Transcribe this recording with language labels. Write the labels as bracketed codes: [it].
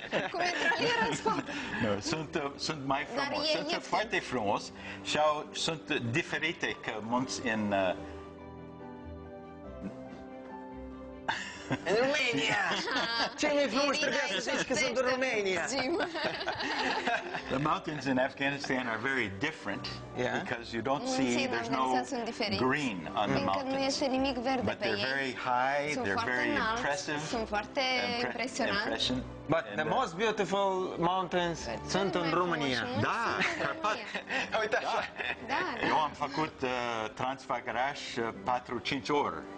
[ro] Cu metralieră în spate. Nu, sunt mai frumos. Sunt foarte frumos și sunt diferite ca munți în... În România! Ce mai frumos trebuie să zici că sunt în România! [en] The mountains in Afghanistan are very different because you don't see, there's no green on the mountains. [ro] Încă nu este nimic verde pe ei. [en] But they're very high, they're very impressive. [ro] Sunt foarte impresionant. [en] But the most beautiful mountains [ro] sunt în România. Da, Carpați. Uite așa. Eu am făcut Transfăgăraș 4-5 ori.